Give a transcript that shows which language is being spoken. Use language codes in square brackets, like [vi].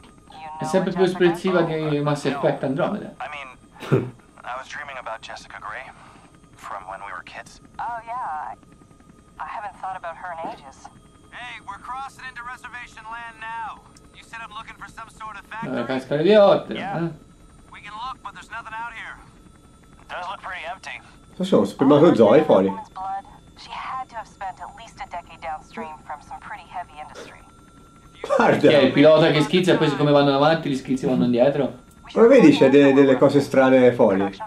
[en] You know, [it] è sempre più espressiva di Mass Effect Andromeda. [en] I mean, I was dreaming about Jessica Gray from when we were kids. Oh yeah. I haven't thought about her in ages. Hey, we're crossing into reservation land now. You said I'm looking for some sort of factory. Yeah. We can look, but there's nothing out here. It does look pretty empty. She had to have spent at least a decade downstream from some pretty heavy industry. [it] Guarda. Il pilota che schizza e poi siccome vanno avanti, gli schizzi vanno indietro. Ma vedi, c'è delle cose strane fuori.